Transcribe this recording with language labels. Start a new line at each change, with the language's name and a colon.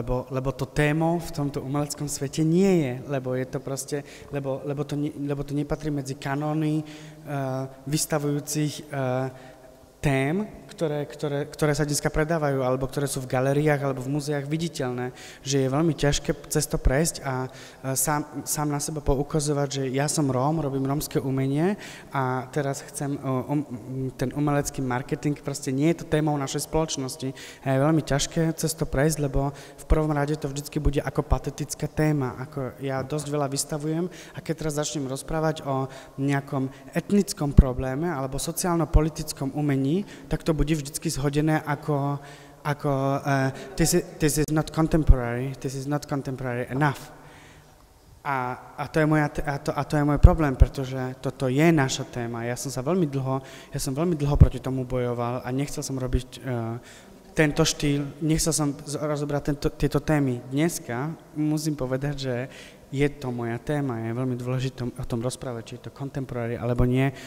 Slovak: lebo to témou v tomto umeleckom svete nie je, lebo to nepatrí medzi kanóny vystavujúcich tém, ktoré sa dneska predávajú, alebo ktoré sú v galeriách, alebo v múzeách viditeľné, že je veľmi ťažké cez to prejsť a sám na seba poukazovať, že ja som Róm, robím rómske umenie a teraz chcem ten umelecký marketing, proste nie je to témou našej spoločnosti. A je veľmi ťažké cez to prejsť, lebo v prvom rade to vždycky bude ako patetická téma, ako ja dosť veľa vystavujem a keď teraz začnem rozprávať o nejakom etnickom probléme alebo sociálno-politickom umení, tak to bude vždycky zhodené ako, ako
English: this is not contemporary, this is not contemporary enough.
Slovak: A to je môj problém, pretože toto je naša téma. Ja som veľmi dlho proti tomu bojoval a nechcel som robiť tento štýl, nechcel som rozobrať tieto témy. Dneska musím povedať, že je to moja téma, je veľmi dôležité o tom rozprávať, či je to contemporary alebo nie.